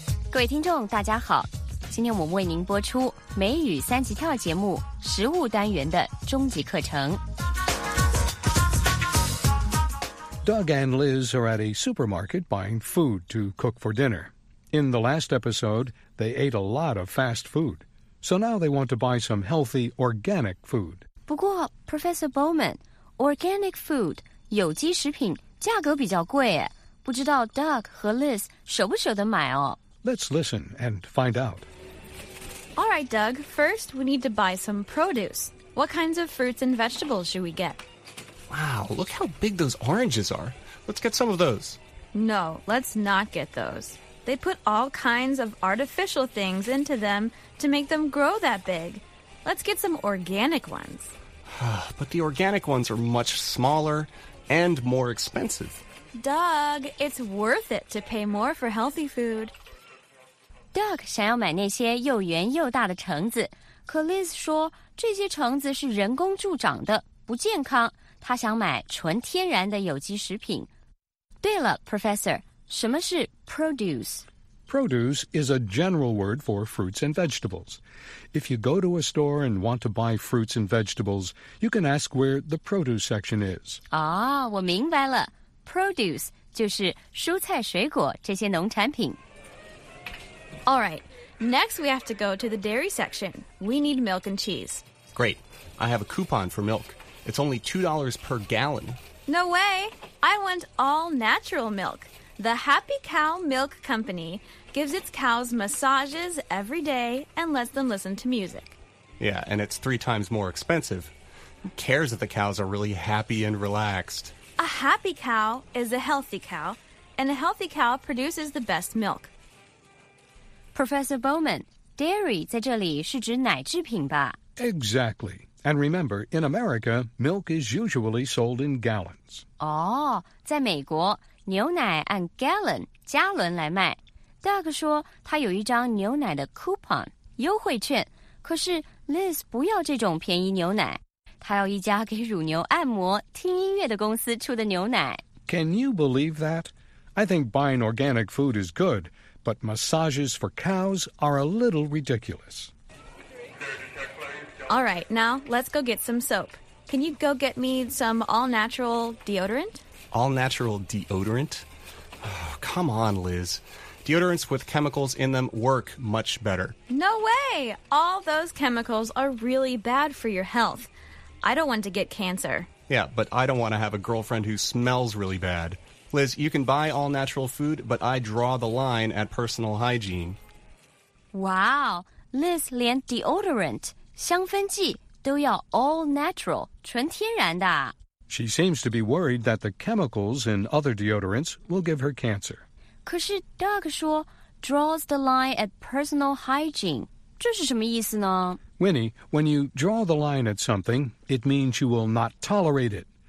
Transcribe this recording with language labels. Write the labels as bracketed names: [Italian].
[Chinese] 各位听众大家好，今天我们为您播出美语三级跳节目实务单元的终极课程。 [English] Doug and Liz are at a supermarket buying food to cook for dinner. In the last episode, they ate a lot of fast food. So now they want to buy some healthy organic food. [Chinese] 不过 Professor Bowman, organic food, 有机食品价格比较贵耶。不知道 Doug 和 Liz 舍不舍得买哦。 [English] Let's listen and find out. All right, Doug, first we need to buy some produce. What kinds of fruits and vegetables should we get? Wow, look how big those oranges are. Let's get some of those. No, let's not get those. They put all kinds of artificial things into them to make them grow that big. Let's get some organic ones. But the organic ones are much smaller and more expensive. Doug, it's worth it to pay more for healthy food. [Chinese] Doug 想要买那些又圆又大的橙子，可 Liz 说这些橙子是人工助长的，不健康。他想买纯天然的有机食品。对了 ,Professor, 什么是 produce? [English] Produce is a general word for fruits and vegetables. If you go to a store and want to buy fruits and vegetables, you can ask where the produce section is. [Chinese] 哦、oh, 我明白了。 Produce 就是蔬菜水果这些农产品。 [English] All right, next we have to go to the dairy section. We need milk and cheese. Great, I have a coupon for milk. It's only $2 per gallon. No way! I want all natural milk. The Happy Cow Milk Company gives its cows massages every day and lets them listen to music. Yeah, and it's 3 times more expensive. Who cares if the cows are really happy and relaxed? A happy cow is a healthy cow, and a healthy cow produces the best milk. [Chinese] Professor Bowman, dairy 在这里是指奶制品吧? [English] Exactly. And remember, in America, milk is usually sold in gallons. [Chinese] Oh, 在美国，牛奶按 gallon, 加仑来卖。 Doug 说他有一张牛奶的 coupon, 优惠券。可是 Liz 不要这种便宜牛奶。他要一家给乳牛按摩、听音乐的公司出的牛奶。 [English] Can you believe that? I think buying organic food is good, but massages for cows are a little ridiculous. All right, now let's go get some soap. Can you go get me some all-natural deodorant? All-natural deodorant? Oh, come on, Liz. Deodorants with chemicals in them work much better. No way! All those chemicals are really bad for your health. I don't want to get cancer. Yeah, but I don't want to have a girlfriend who smells really bad. Liz, you can buy all-natural food, but I draw the line at personal hygiene. [Chinese] Wow, Liz 连 deodorant... 香氛剂都要 all natural, 纯天然的。 [English] She seems to be worried that the chemicals in other deodorants will give her cancer. [Chinese] 可是 Doug 说 [English] draws the line at personal hygiene, [Chinese] 这是什么意思呢? [English] Winnie, when you draw the line at something, it means you will not tolerate it.